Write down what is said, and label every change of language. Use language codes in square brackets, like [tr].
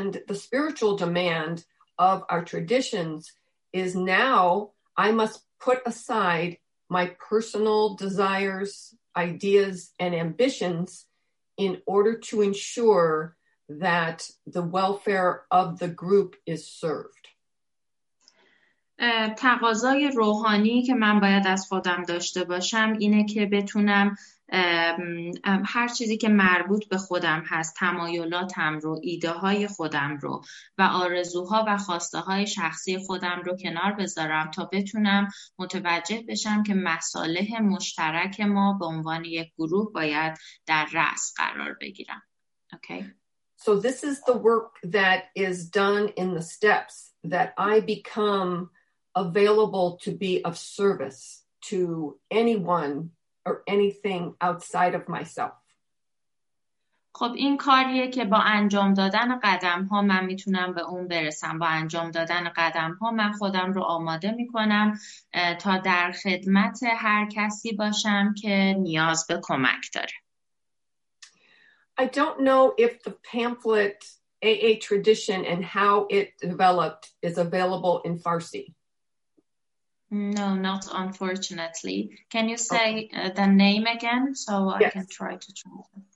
[en] The spiritual demand of our traditions is now I must put aside my personal desires, ideas, and ambitions in order to ensure that the welfare of the group is served. [fa] تقاضای روحانی که من باید از خودم داشته باشم اینه که بتونم هر چیزی که مربوط به خودم هست، تمایلاتم رو، ایده های خودم رو و آرزوها و خواسته های شخصی خودم رو کنار بذارم تا بتونم متوجه بشم که مصالح مشترک ما به عنوان یک گروه باید در رأس قرار بگیرم. [en] Okay. So this is the work that is done in the steps that I become available to be of service to anyone or anything outside of myself. [fa] خب این کاریه که با انجام دادن قدم‌ها من میتونم به اون برسم. با انجام دادن قدم‌ها من خودم رو آماده می‌کنم تا در خدمت هر کسی باشم که نیاز به کمک داره. [en] I don't know if the pamphlet AA Tradition and How It Developed is available in Farsi. No, not unfortunately. Can you say the name again so I can try to translate?